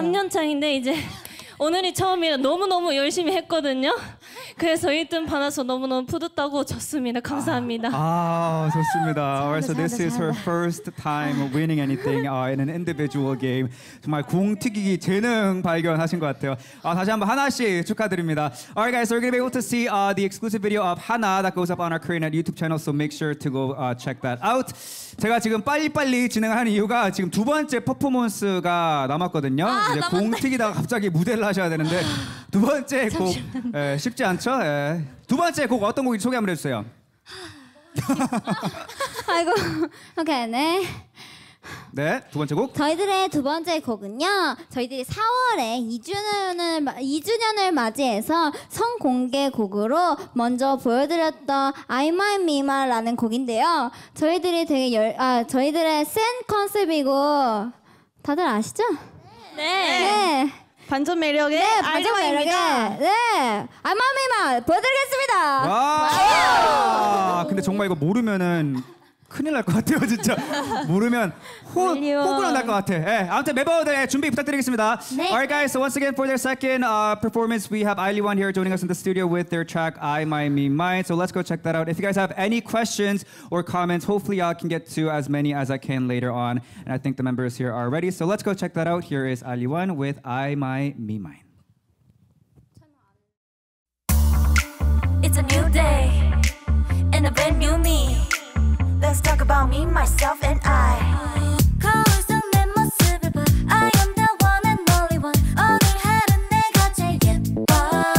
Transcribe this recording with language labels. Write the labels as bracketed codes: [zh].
[ko] 3년 차인데 이제 오늘이 처음이라 너무너무 열심히 했거든요. 그래서 1등 받아서 너무너무 뿌듯하고 좋습니다. 감사합니다. 아, 좋습니다. [en] So this is her first time winning anything in an individual game. [ko] 정말 궁튀기 재능 발견하신 것 같아요. 다시 한번 하나 씨 축하드립니다. [en] Alright guys, so we're going to be able to see the exclusive video of Hana that goes up on our Korean YouTube channel. So make sure to go check that out. [ko] 제가 지금 빨리빨리 진행하는 이유가 지금 두 번째 퍼포먼스가 남았거든요. 아, 이제 궁튀기다가 갑자기 무대를 하셔야 되는데 두 번째 곡 예, 쉽지 않죠? 예. 두 번째 곡 어떤 곡인지 소개 한번 해주세요. 아이고, 오케이, 네. 네, 두 번째 곡. 저희들의 두 번째 곡은요. 저희들이 4월에 2주년을 맞이해서 선공개 곡으로 먼저 보여드렸던 I Might Be My라는 곡인데요. 저희들이 되게 저희들의 센 컨셉이고 다들 아시죠? 네. 네. 반전 매력의 네, 반전 매력의 네, I Might Be My 보여드리겠습니다. 와. 와. 근데 정말 이거 모르면은. 큰일 날 것 같아요 진짜 모르면 혹은 날 것 같아 예, 아무튼 멤버들 준비 부탁드리겠습니다 네. [en] Alright guys, so once again for their second performance we have Aili Won here joining us in the studio with their track I, My, Me, Mine so let's go check that out if you guys have any questions or comments hopefully I can get to as many as I can later on and I think the members here are ready so let's go check that out here is Aili Won with I, My, Me, Mine It's a new day and a brand new me Let's talk about me, myself, and I. [ko] 거울 속 내 모습을 봐. [en] I am the one and only one. [ko] 오늘 하루 내가 제일 예뻐.